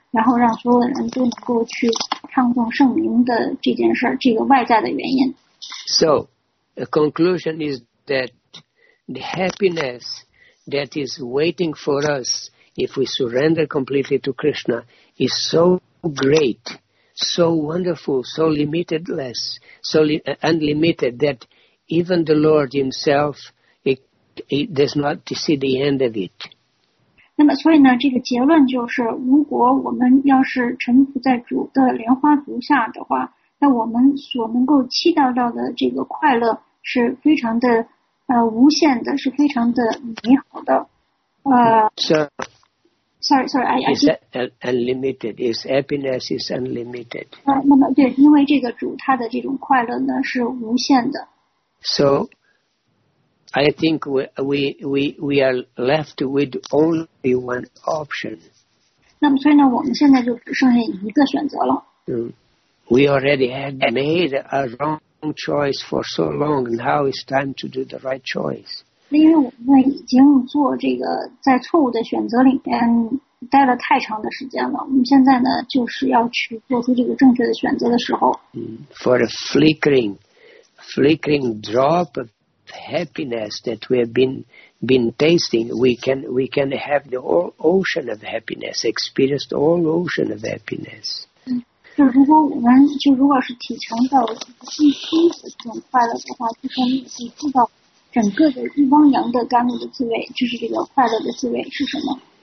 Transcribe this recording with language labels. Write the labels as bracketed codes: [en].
[zh] 然后让所有人都能够去唱诵圣名的这件事，这个外在的原因。 [en] So, the conclusion is that the happiness that is waiting for us if we surrender completely to Krishna is so great, so wonderful, so limitless, so unlimited that even the Lord Himself it does not see the end of it. [zh] 那么所以呢，这个结论就是，如果我们要是臣服在主的莲花足下的话，那我们所能够期待到的这个快乐是非常的无限的，是非常的美好的。 [en] Unlimited. His happiness is unlimited. [zh] 那么对，因为这个主他的这种快乐呢是无限的。 [en] So I think we are left with only one option. [zh] 那么所以呢，我们现在就只剩下一个选择了。 [en] We already had made a wrong choice for so long, and now it's time to do the right choice. [zh] 因为我们已经做这个在错误的选择里面待了太长的时间了，我们现在呢就是要去做出这个正确的选择的时候。 [en] For a flickering drop of happiness that we have been tasting, we can have the whole ocean of happiness, experience the whole ocean of happiness. [zh] 就如果我们就如果是体尝到最初的这种快乐的话，就可以知道整个的一汪洋的甘露的滋味，就是这个快乐的滋味是什么。